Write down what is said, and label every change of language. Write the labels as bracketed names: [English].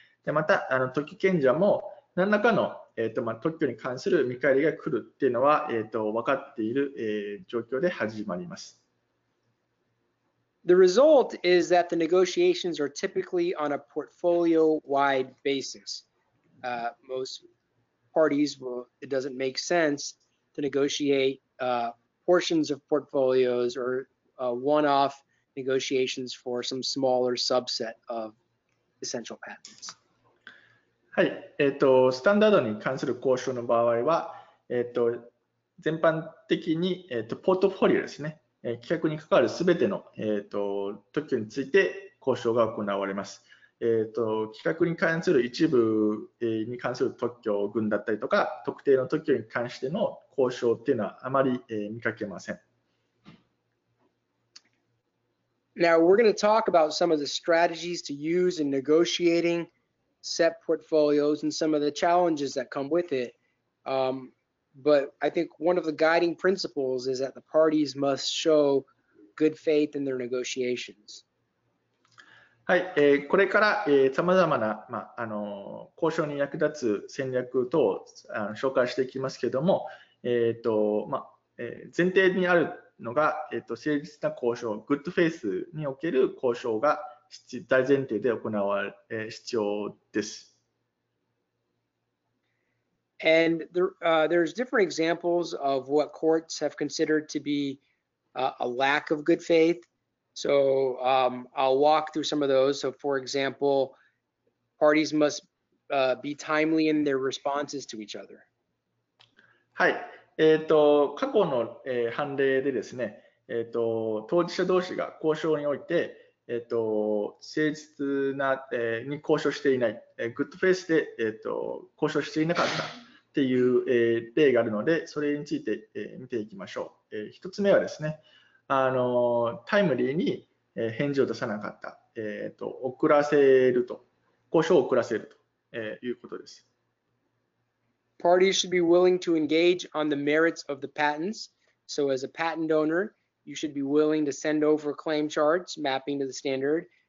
[Japanese] で、また、特許権者も何らかの、特許に関する見返りが来るっていうのは、分かっている、状況で始まります。 [English] The result is that the negotiations are typically on a portfolio-wide basis. Most parties, it doesn't make sense to negotiate portions of portfolios or one-off negotiations for some smaller subset of essential patents. [Japanese] はい、スタンダードに関する交渉の場合は、全般的に、ポートフォリオですね。企画に関わるすべての、特許について交渉が行われます、企画に関する一部に関する特許群だったりとか特定の特許に関しての交渉っていうのはあまり、見かけません。 [English] Now we're going to talk about some of the strategies to use in negotiating set portfolios and some of the challenges that come with it. But I think one of the guiding principles is that the parties must show good faith in their negotiations. [Japanese] はい、これから、さまざまな、交渉に役立つ戦略等を紹介していきますけれども、前提にあるのが、誠実な交渉、グッドフェイスにおける交渉が大前提で行われ、必要です。 [English] And there's different examples of what courts have considered to be a lack of good faith. So I'll walk through some of those. So for example, parties must be timely in their responses to each other. [Japanese] はい。過去の、判例でですね、当事者同士が交渉において、誠実な、に交渉していない、グッドフェイスで、交渉していなかった。っていう例があるので、それについて見ていきましょう。一つ目はですね、タイムリーに返事を出さなかった、遅らせると、交渉を遅らせるということです。 [English] Parties should be willing to engage on the merits of the patents. So as a patent owner, you should be willing to send over claim charts mapping to the standard.